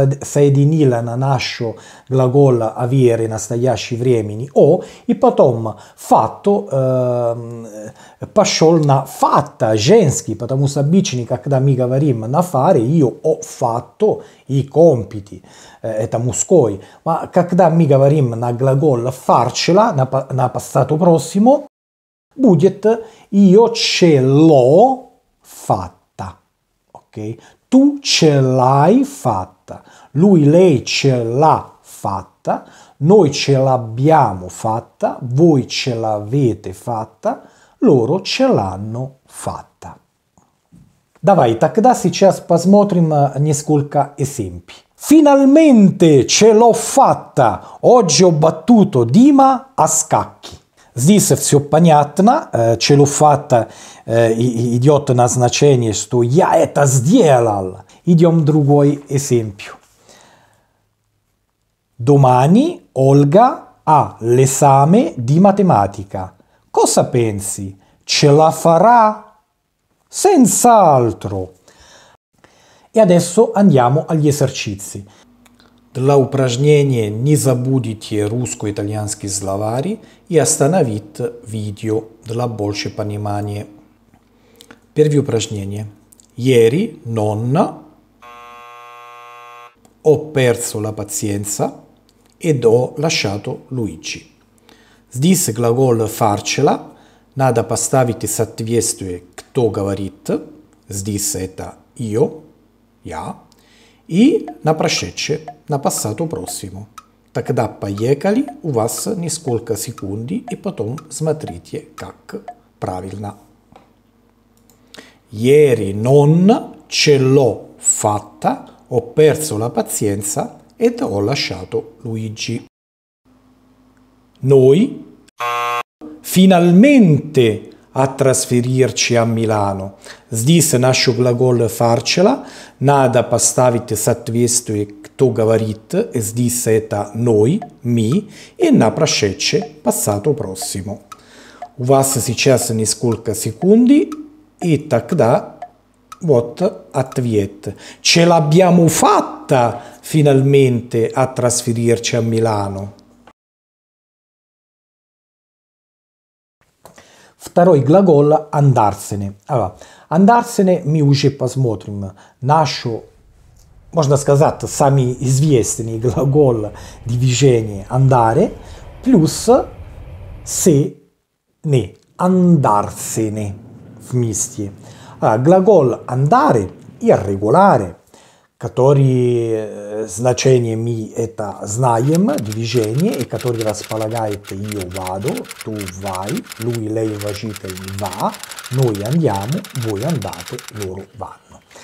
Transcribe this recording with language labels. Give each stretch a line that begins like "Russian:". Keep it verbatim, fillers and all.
Russian: соединила на нашу глагол avere настоящий времени о, и потом fatto э, пошел на fatta женский, потому что обычно, когда мы говорим на fare,
Italian: io ho fatto i compiti,
Russian: это мужской,
Italian: ma
Russian: когда мы говорим на глагол farcela, на, на passato prossimo, будет
Italian: io ce l'ho fatta.
Russian: Okay.
Italian: Tu ce l'hai fatta, lui, lei ce l'ha fatta, noi ce l'abbiamo fatta, voi ce l'avete fatta, loro ce l'hanno fatta.
Russian: Давай, тогда сейчас посмотрим несколько esempi.
Italian: Finalmente ce l'ho fatta, oggi ho battuto Dima a scacchi.
Russian: Здесь все понятно,
Italian: ce l'ho fatta
Russian: идет на значение, что я это сделал. Идем другой esempio.
Italian: Domani Olga ha l'esame di matematica. Cosa pensi? Ce la farà? Senz'altro. E adesso andiamo agli esercizi.
Russian: Для упражнения не забудьте русско-итальянский словарь и остановить видео для большего понимания. Первое упражнение.
Italian: Ieri nonna ho perso la pazienza ed ho lasciato Luigi.
Russian: Здесь глагол «farcela». Надо поставить соответствие «кто говорит». Здесь это «io», «я». И на прошедшее, на passato prossimo. Тогда поехали, у вас несколько секунд, и потом смотрите, как правильно.
Italian: Ieri non ce l'ho fatta, ho perso la pazienza ed ho lasciato Luigi. Noi finalmente a trasferirci a Milano.
Russian: Здесь наш глагол «farcela». Надо поставить соответствие «кто говорит». Здесь это «noi», «mi» и на прошедшее, passato prossimo. У вас сейчас несколько секунд, и тогда вот ответ.
Italian: Ce l'abbiamo fatta finalmente a trasferirci a Milano.
Russian: Второй глагол «андарсене».
Italian: Allora,
Russian: «Андарсене» мы уже посмотрим. Нашу, можно сказать, самый известный глагол движения «андаре» плюс «се», «не», «андарсене» вместе.
Italian: Allora, глагол «андаре» irregolare,
Russian: который значение мы это знаем, движение, и который располагает
Italian: io vado, tu vai, lui, lei, vagite, va, noi andiamo, voi andate, loro vanno.